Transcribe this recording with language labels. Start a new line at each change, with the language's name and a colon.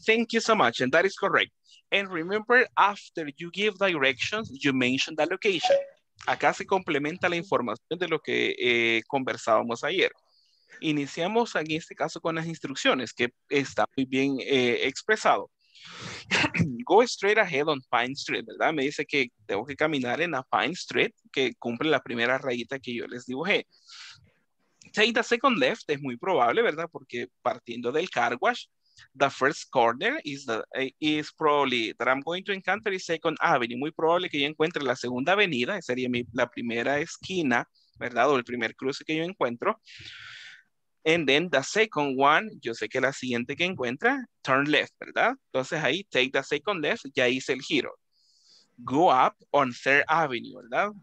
English: Thank you so much. And that is correct. And remember, after you give directions, you mention the location.
Spanish: Acá se complementa la información de lo que conversábamos ayer. Iniciamos en este caso con las instrucciones, que está muy bien expresado.
English: Go straight ahead on Pine Street,
Spanish: ¿verdad? Me dice que tengo que caminar en la Pine Street, que cumple la primera rayita que yo les dibujé.
English: Take the second left,
Spanish: es muy probable,
English: ¿verdad?
Spanish: Porque partiendo del
English: car wash, the first corner is probably that I'm going to encounter is Second Avenue.
Spanish: Muy probable que yo encuentre la segunda avenida, sería la primera esquina, ¿verdad? O el primer cruce que yo encuentro.
English: And then the second one,
Spanish: yo sé que la siguiente que encuentra,
English: turn left,
Spanish: ¿verdad? Entonces ahí,
English: take the second left,
Spanish: ya hice el giro.
English: Go up on Third Avenue, ¿verdad?